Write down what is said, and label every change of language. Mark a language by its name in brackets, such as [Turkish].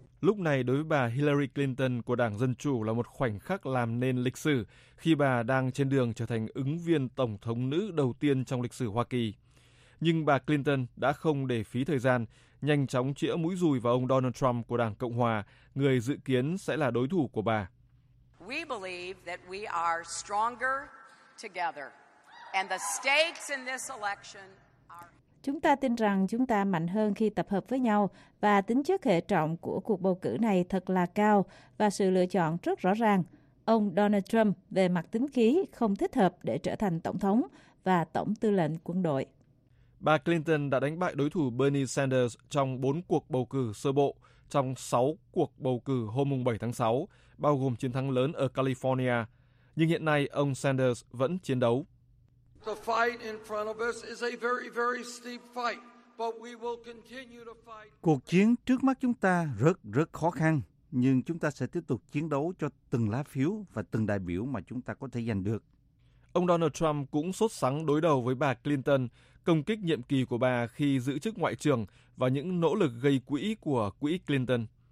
[Vietnamese] Lúc này đối với bà Hillary Clinton của Đảng Dân Chủ là một khoảnh khắc làm nên lịch sử khi bà đang trên đường trở thành ứng viên Tổng thống nữ đầu tiên trong lịch sử Hoa Kỳ. Nhưng bà Clinton đã không để phí thời gian, nhanh chóng chĩa mũi dùi vào ông Donald Trump của Đảng Cộng Hòa, người dự kiến sẽ là đối thủ của bà. [English] We believe that we are stronger together, and the stakes in this election. [Vietnamese] Chúng ta tin rằng chúng ta mạnh hơn khi tập hợp với nhau và tính chất hệ trọng của cuộc bầu cử này thật là cao và sự lựa chọn rất rõ ràng. Ông Donald Trump về mặt tính khí không thích hợp để trở thành tổng thống và tổng tư lệnh quân đội. Bà Clinton đã đánh bại đối thủ Bernie Sanders trong 4 cuộc bầu cử sơ bộ trong 6 cuộc bầu cử hôm 7 tháng 6, bao gồm chiến thắng lớn ở California. Nhưng hiện nay ông Sanders vẫn chiến đấu. [English] The fight in front of us is a very, very steep fight, but we will continue to fight. [Vietnamese] Cuộc chiến trước mắt chúng ta rất, rất khó khăn, nhưng chúng ta sẽ tiếp tục chiến đấu cho từng lá phiếu và từng đại biểu mà chúng ta có thể giành được. Ông Donald Trump cũng sốt sắng đối đầu với bà Clinton, công kích nhiệm kỳ của bà khi giữ chức ngoại trưởng và những nỗ lực gây quỹ của quỹ Clinton.